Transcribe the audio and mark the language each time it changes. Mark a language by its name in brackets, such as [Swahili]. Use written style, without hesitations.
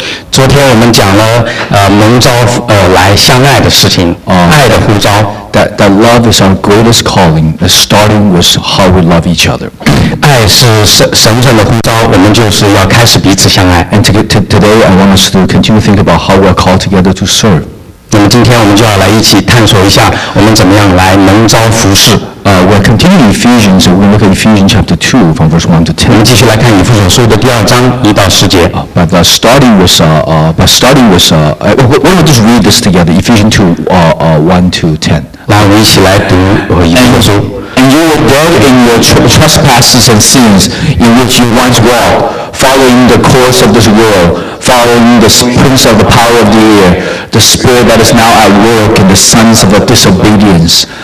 [Chinese] 昨天我们讲了蒙召来相爱的事情，爱的呼召。 [English] That love is our greatest calling, starting with how we love each other. [Chinese] 爱是神圣的呼召，我们就是要开始彼此相爱。 [English] And today, I want us to continue to think about how we are called together to serve. [Chinese] 那么今天我们就要来一起探索一下，我们怎么样来蒙召服事。 [English] We're continuing Ephesians. We're looking at Ephesians chapter 2 from verse 1 to 10. [Chinese] 我们继续来看以弗所书的第二章一到十节。 [English] We'll just read this together. Ephesians 2, 1 to 10. [Chinese] 来，我们一起来读以弗所书。 [English] And you were dead in your trespasses and sins in which you once walked, following the course of this world, following the prince of the power of the air, the spirit that is now at work in the sons of disobedience.